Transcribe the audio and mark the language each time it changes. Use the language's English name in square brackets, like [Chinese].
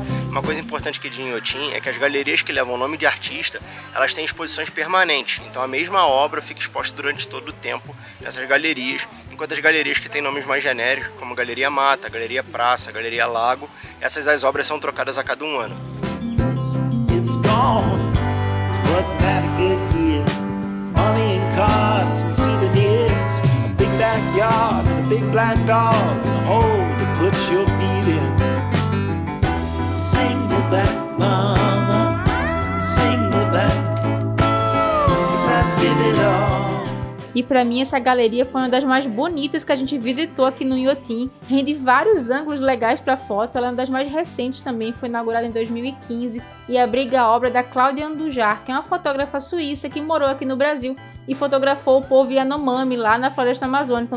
[Portuguese] Uma coisa importante aqui de Inhotim é que as galerias que levam o nome de artista, elas têm exposições permanentes, então a mesma obra fica exposta durante todo o tempo nessas galerias, enquanto as galerias que têm nomes mais genéricos, como Galeria Mata, Galeria Praça, Galeria Lago, essas as obras são trocadas a cada um ano. [English] It's gone. Wasn't that a good year? Money and cars and souvenirs. A big backyard and a big black dog and a hole to put your feet in. Single back, mama, single back, 'cause I'd give it all. [Portuguese] E para mim essa galeria foi uma das mais bonitas que a gente visitou aqui no Inhotim. Rende vários ângulos legais para foto. Ela é uma das mais recentes também, foi inaugurada em 2015 e abriga a obra da Claudia Andujar, que é uma fotógrafa suíça que morou aqui no Brasil e fotografou o povo Yanomami lá na floresta amazônica.